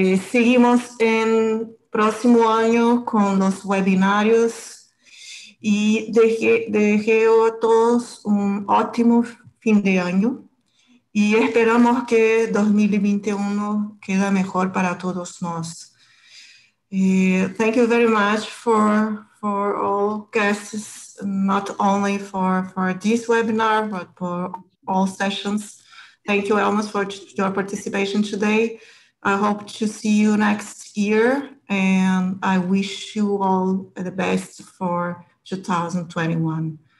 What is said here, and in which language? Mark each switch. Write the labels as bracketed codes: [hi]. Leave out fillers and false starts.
[pt] Seguimos em próximo ano com os webinários e desejo a todos um ótimo fim de ano. [es] Y esperamos que 2021 quede mejor para todos nos. [en] Thank you very much for all guests, not only for this webinar, but for all sessions. Thank you, Elmas, for your participation today. I hope to see you next year, and I wish you all the best for 2021.